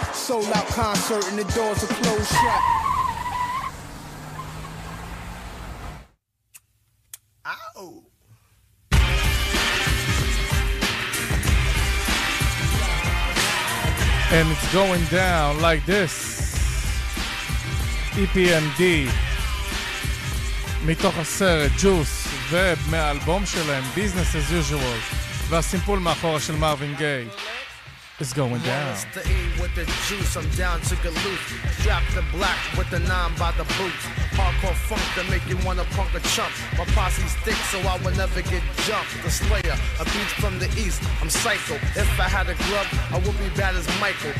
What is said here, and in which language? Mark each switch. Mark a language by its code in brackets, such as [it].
[en] Sold out concert and the doors are closed shut. And it's going down like this. [he] EPMD מתוך הסרט ג'וס ומהאלבום שלהם Business as Usual והסימפול מאחורה של מרווין גיי. [en] It's going down. It's the E with the juice, I'm down to Galoot. Drop the black with the nine by the boots. Hardcore funk to make you wanna punk a chump. My posse's thick so I will never get jumped. The Slayer, a beast from the east, I'm psycho. If I had a glove, I would be bad as Michael.